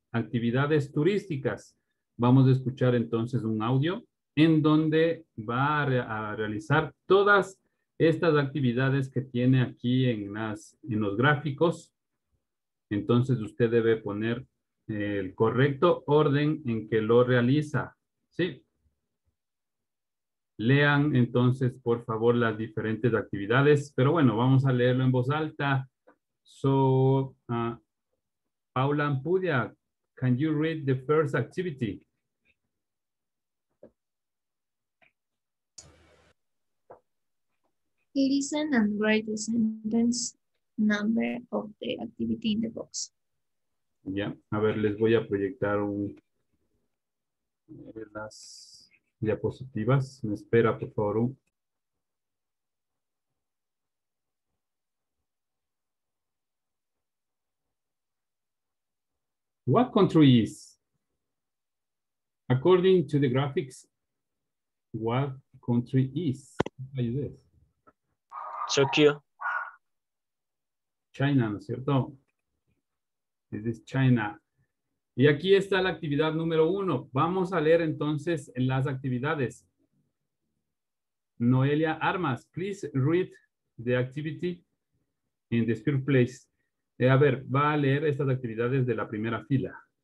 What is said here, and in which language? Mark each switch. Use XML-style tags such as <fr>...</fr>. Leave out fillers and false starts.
<es>Actividades turísticas. Vamos a escuchar entonces un audio en donde va a realizar todas estas actividades que tiene aquí en los gráficos. Entonces usted debe poner el correcto orden en que lo realiza, ¿sí? Lean entonces, por favor, las diferentes actividades, pero bueno, vamos a leerlo en voz alta.</es> <en>So, Paula Ampudia, can you read the first activity? Listen and write the sentence number of the activity in the box.</en> <es>Yeah, a ver, les voy a proyectar las diapositivas. Me espera, por favor.</es> <en>What country is? According to the graphics, what country is? What is this? Tokyo. China,</en> <es>¿no es cierto?</es> <en>This is China.</en> <es>Y aquí está la actividad número uno. Vamos a leer entonces las actividades.</es> <en>Noelia Armas, please read the activity in the third place.</en> <es>A ver, va a leer estas actividades de la primera fila.</es>